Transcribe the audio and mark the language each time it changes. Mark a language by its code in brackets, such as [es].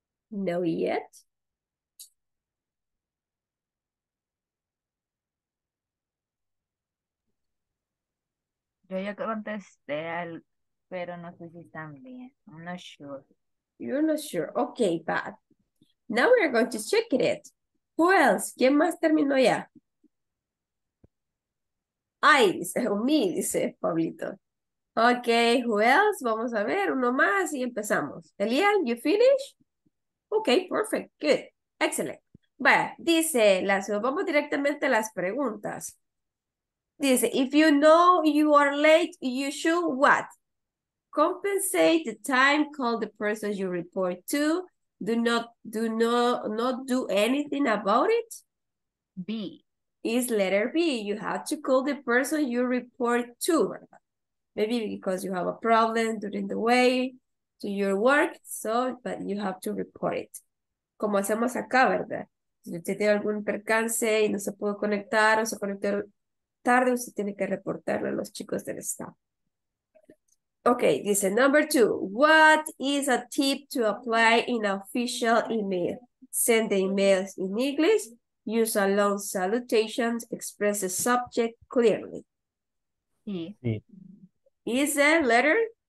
[en] No yet. [es] Yo ya contesté al, pero no sé si están bien. [en] I'm not sure. You're not sure. Okay, but now we're going to check it. Who else? [es] ¿Quién más terminó ya? Ay, dice, o mí, dice Pablito. [en] Okay, who else? [es] Vamos a ver, uno más y empezamos. Elian, [en] you finish? Okay, perfect, good, excellent. [es] Vaya, dice, las, vamos directamente a las preguntas. [en] Dice, if you know you are late, you should what? Compensate the time, call the person you report to. Do not do anything about it. B is letter B. You have to call the person you report to. Maybe because you have a problem during the way to your work, so, but you have to report it. [es] Como hacemos acá, ¿verdad? Si usted tiene algún percance y no se puede conectar o se conectó tarde, usted tiene que reportarlo a los chicos del staff. [en] Okay, this is number two. What is a tip to apply in official email? Send the emails in English, use a long salutation, express the subject clearly. [es] Sí. [en] Is that letter?